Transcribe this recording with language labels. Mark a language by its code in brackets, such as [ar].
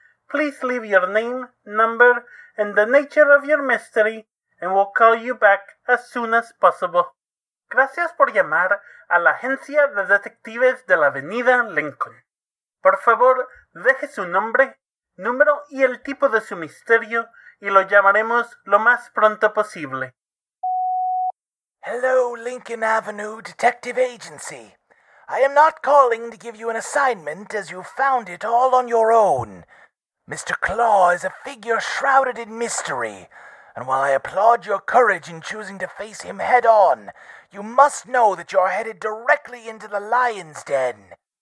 [en] Please leave your name, number, and the nature of your mystery, and we'll call you back as soon as possible. [es] Gracias por llamar a la Agencia de Detectives de la Avenida Lincoln. Por favor, deje su nombre, número y el tipo de su misterio, y lo llamaremos lo más pronto posible. [en] Hello, Lincoln Avenue Detective Agency. I am not calling to give you an assignment as you found it all on your own. Mr. Claw is a figure shrouded in mystery, and while I applaud your courage in choosing to face him head on, you must know that you're headed directly into the lion's den.